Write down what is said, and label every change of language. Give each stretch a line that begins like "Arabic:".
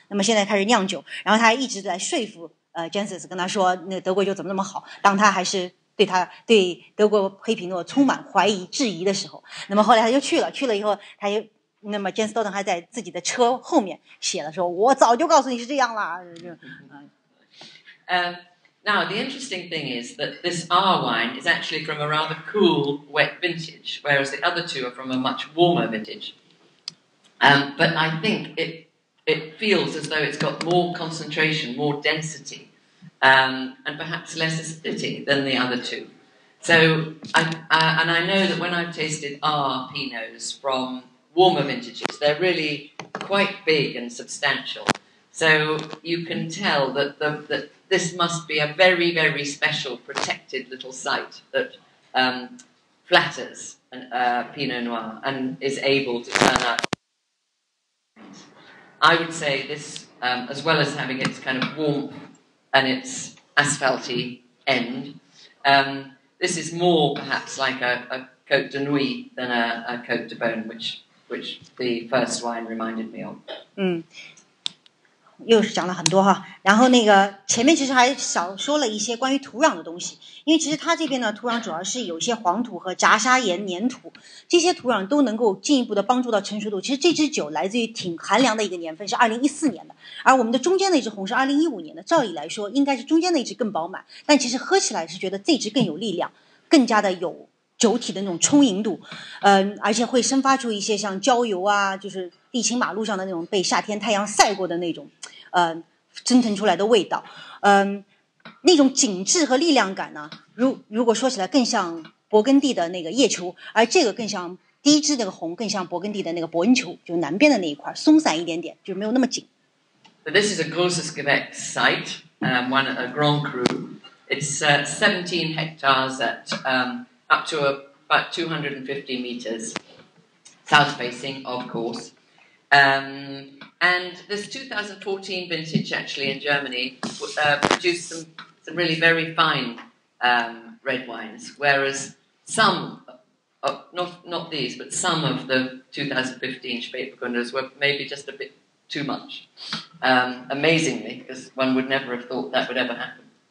Chinese: 那么现在开始酿酒，然后他一直在说服Jancis 跟他说那德国酒怎么那么好，当他还是对他对德国黑皮诺充满怀疑质疑的时候，那么后来他就去了以后，他又那么 Jane Stoughton 还在自己的车后面写了说，我早就告诉你是这样啦。
English: Now the interesting thing is that this Ahr wine is actually from a rather cool wet vintage, whereas the other two are from a much warmer vintage. But I think it feels as though it's got more concentration, more density. And perhaps less acidity than the other two. So, and I know that when I've tasted Ahr Pinots from warmer vintages, they're really quite big and substantial. So you can tell that that this must be a very, very special protected little site that flatters Pinot Noir and is able to turn out. I would say this, as well as having its kind of warmth,and its asphalty end. This is more perhaps like a Côte de Nuit than a Côte de Beaune, which the first wine reminded me of.
Chinese: 嗯，又是讲了很多哈。然后那个前面其实还少说了一些关于土壤的东西，因为其实它这边呢土壤主要是有些黄土和杂砂岩粘土，这些土壤都能够进一步的帮助到成熟度。其实这支酒来自于挺寒凉的一个年份，是2014年的，而我们的中间那支红是2015年的，照理来说应该是中间那支更饱满，但其实喝起来是觉得这支更有力量，更加的有酒体的那种充盈度，而且会生发出一些像焦油啊，就是沥青马路上的那种被夏天太阳晒过的那种蒸腾出来的味道，那种紧致和力量感呢，如果说起来更像勃艮第的那个叶球，而这个更像第一支那个红，更像勃艮第的那个伯恩球，就南边的那一块松散一点点，就没有那么紧。
English: But this is a Grosses Gewächs site, one at a Grand Cru. It's 17 hectares at up to about 250 meters south facing, of course. And this 2014 vintage actually in Germany produced some really very fine red wines, whereas some, not these, but some of the 2015 Spätburgunders were maybe just a bit too much, amazingly, because one would never have thought that would ever happen.